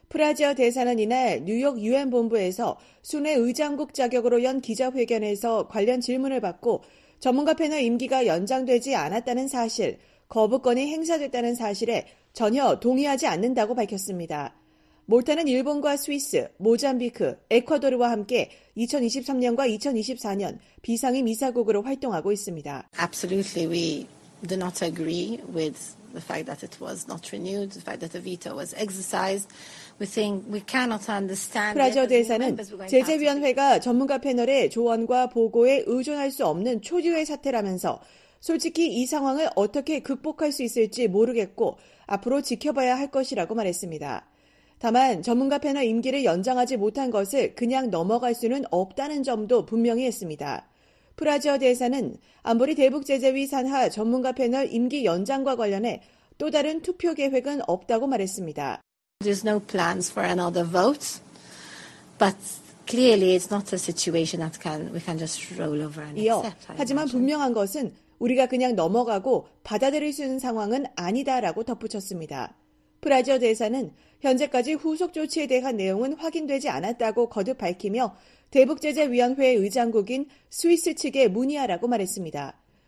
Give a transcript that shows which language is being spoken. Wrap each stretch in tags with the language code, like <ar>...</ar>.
<ko>프라지어 대사는 이날 뉴욕 유엔 본부에서 순회 의장국 자격으로 연 기자회견에서 관련 질문을 받고 전문가 패널 임기가 연장되지 않았다는 사실, 거부권이 행사됐다는 사실에 전혀 동의하지 않는다고 밝혔습니다. 몰타는 일본과 스위스, 모잠비크, 에콰도르와 함께 2023년과 2024년 비상임 이사국으로 활동하고 있습니다.</ko> <en>Absolutely, we do not agree with the fact that it was not renewed, the fact that the veto was exercised. We think we cannot understand.</en> <ko>프라저 대사는 제재위원회가 전문가 패널의 조언과 보고에 의존할 수 없는 초유의 사태라면서 솔직히 이 상황을 어떻게 극복할 수 있을지 모르겠고 앞으로 지켜봐야 할 것이라고 말했습니다. 다만 전문가 패널 임기를 연장하지 못한 것을 그냥 넘어갈 수는 없다는 점도 분명히 했습니다. 프라지어 대사는 안보리 대북 제재위 산하 전문가 패널 임기 연장과 관련해 또 다른 투표 계획은 없다고 말했습니다.</ko> <en>There's no plans for another vote. But clearly it's not a situation that we can just roll over and accept.</en> <ko>하지만 분명한 것은 우리가 그냥 넘어가고 받아들일 수 있는 상황은 아니다라고 덧붙였습니다. 프라지어 대사는 현재까지 후속 조치에 대한 내용은 확인되지 않았다고 거듭 밝히며 대북제재위원회의 의장국인 스위스 측에 문의하라고 말했습니다.</ko>